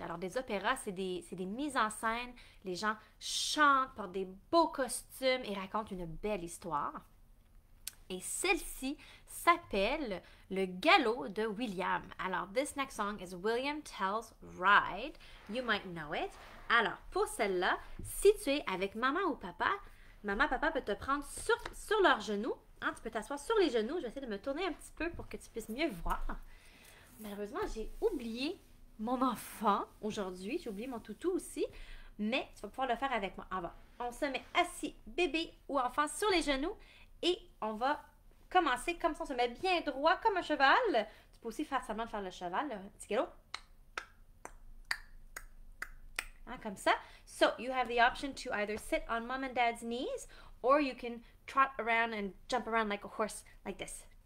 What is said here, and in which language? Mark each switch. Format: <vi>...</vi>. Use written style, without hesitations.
<fr>Alors, des opéras, c'est des mises en scène. Les gens chantent, portent des beaux costumes et racontent une belle histoire. Et celle-ci s'appelle Le Galop de William.</fr> <en>Alors, this next song is William Tell's Ride. You might know it.</en> <fr>Alors, pour celle-là, si tu es avec maman ou papa, maman, papa peut te prendre sur leurs genoux. Hein, tu peux t'asseoir sur les genoux. Je vais essayer de me tourner un petit peu pour que tu puisses mieux voir. Malheureusement, j'ai oublié mon enfant aujourd'hui. J'ai oublié mon toutou aussi. Mais tu vas pouvoir le faire avec moi. On va. On se met assis, bébé ou enfant, sur les genoux. Et on va commencer comme ça. On se met bien droit comme un cheval. Tu peux aussi faire seulement faire le cheval. Là. Petit galop. Hein, comme ça.</fr> <en>So, you have the option to either sit on mom and dad's knees or you can trot around and jump around like a horse, like this.</en>